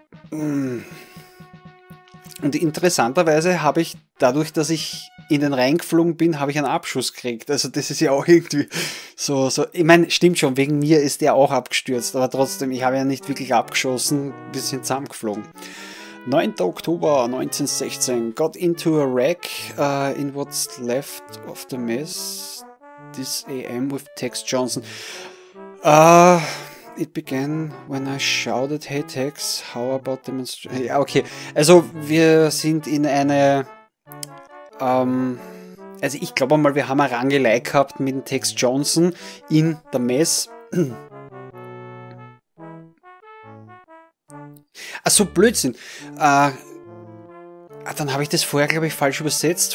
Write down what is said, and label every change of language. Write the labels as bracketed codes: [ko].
[de] Und interessanterweise habe ich, dadurch, dass ich in den Rhein geflogen bin, habe ich einen Abschuss gekriegt. Also das ist ja auch irgendwie so. Ich meine, stimmt schon, wegen mir ist der auch abgestürzt. Aber trotzdem, ich habe ja nicht wirklich abgeschossen. Wir sind zusammengeflogen. 9. Oktober 1916. [en] Got into a wreck in what's left of the mess. This AM with Tex Johnson. It began when I shouted, hey Tex, how about demonstration? [de] Ja, okay. Also wir sind in eine... Also ich glaube einmal, wir haben eine Rangelei gehabt mit dem Tex Johnson in der Mess. Achso, Blödsinn. Dann habe ich das vorher, glaube ich, falsch übersetzt.